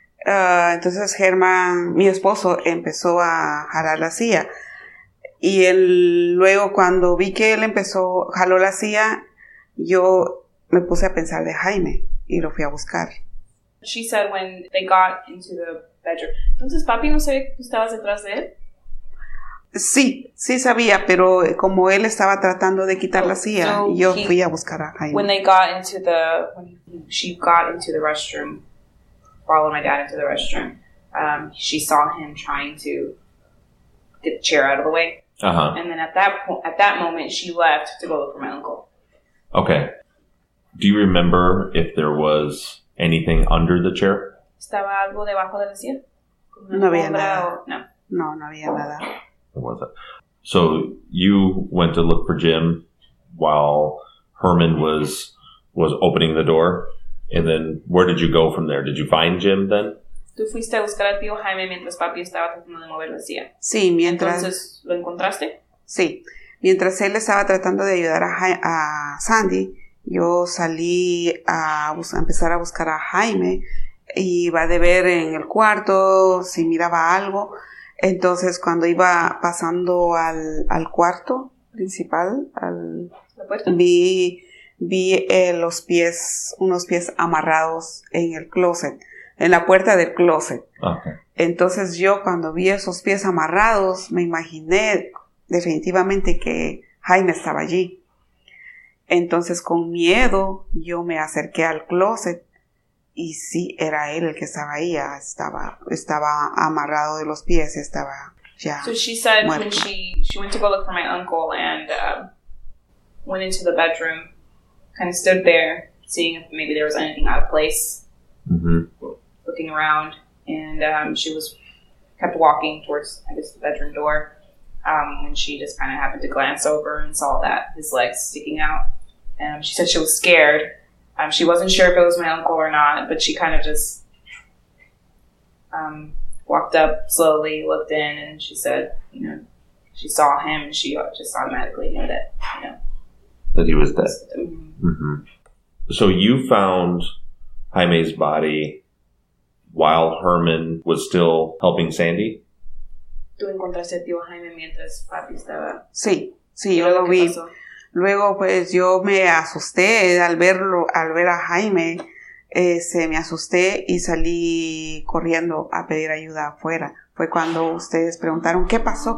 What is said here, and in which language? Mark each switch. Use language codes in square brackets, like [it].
[es] Entonces, Germán, mi esposo, empezó a jalar la CIA. Y él, luego cuando vi que él empezó, jaló la silla, yo me puse a pensar de Jaime y lo fui a buscar. [en] She said when they got into the bedroom. [es] Entonces, papi, ¿no sabía que tú estabas detrás de él? Sí, sí sabía, pero como él estaba tratando de quitar la silla, [en] so [es] yo fui a buscar a Jaime. [en] When they got into the, when she got into the restroom, followed my dad into the restroom, she saw him trying to get the chair out of the way. Uh-huh. And then at that moment, she left to go look for my uncle. Okay. Do you remember if there was anything under the chair? [es] ¿Estaba algo debajo de la silla? No había nada. No. No había nada. [en] What was it? So you went to look for Jim while Herman was opening the door. And then where did you go from there? Did you find Jim then? [es] Tú fuiste a buscar a tío Jaime mientras papi estaba tratando de mover la silla. Sí, mientras... Entonces, ¿lo encontraste? Sí. Mientras él estaba tratando de ayudar a Sandy, yo salí a empezar a buscar a Jaime. Y iba de ver en el cuarto si miraba algo. Entonces, cuando iba pasando al cuarto principal, ¿la puerta? Vi los pies, unos pies amarrados en el closet. En la puerta del closet. Okay. Entonces yo cuando vi esos pies amarrados, me imaginé definitivamente que Jaime estaba allí. Entonces, con miedo, yo me acerqué al closet y sí, era él el que estaba ahí. Estaba amarrado de los pies, estaba ya muerto. [en] So she said muerto. When she went to go look for my uncle and went into the bedroom, kind of stood there, seeing if maybe there was anything out of place, mm-hmm. looking around, and she was kept walking towards, I guess, the bedroom door. And she just kind of happened to glance over and saw that his legs sticking out. And she said she was scared. She wasn't sure if it was my uncle or not, but she kind of just walked up slowly, looked in, and she said, you know, she saw him, and she just automatically knew that, you know. That he was dead. Mm-hmm. So you found Jaime's body while Herman was still helping Sandy? [es] ¿Tú encontraste a tío Jaime mientras papi estaba? Sí, sí, yo lo vi. Pasó. Luego, pues, yo me asusté al ver a Jaime. Se me asusté y salí corriendo a pedir ayuda afuera. Fue cuando ustedes preguntaron, ¿qué pasó?